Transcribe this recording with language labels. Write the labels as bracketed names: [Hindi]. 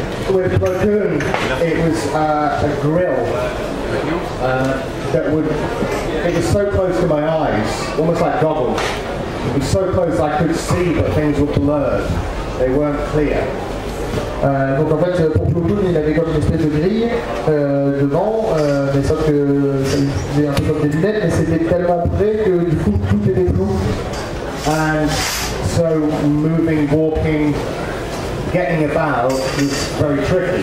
[English] With Platoon, it was a grill that would, it was so close to my eyes, almost like goggles. It was so close I could see, but things were blurred. They weren't clear. [French] Donc en fait, pour Platoon, il avait comme une espèce de grille devant, mais sauf que ça faisait un peu comme des lunettes, mais c'était tellement près que du coup, tout était flou. [English] And so moving, walking, getting about is very tricky.